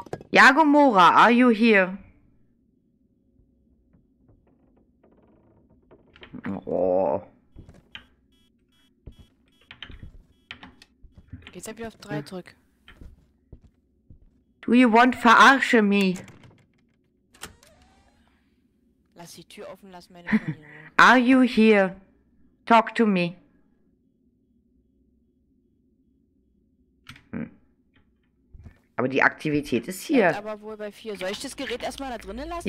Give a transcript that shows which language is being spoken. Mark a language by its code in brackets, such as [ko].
[en] Jago Mora, are you here? Oh. [de] Geht's ja wieder auf 3 zurück. [en] Do you want verarsche me? [de] Lass die Tür offen, lass meine [en] Familie. Are you here? Talk to me. [de] Aber die Aktivität ist hier. Ja, aber wohl bei 4. Soll ich das Gerät erstmal da drinnen lassen?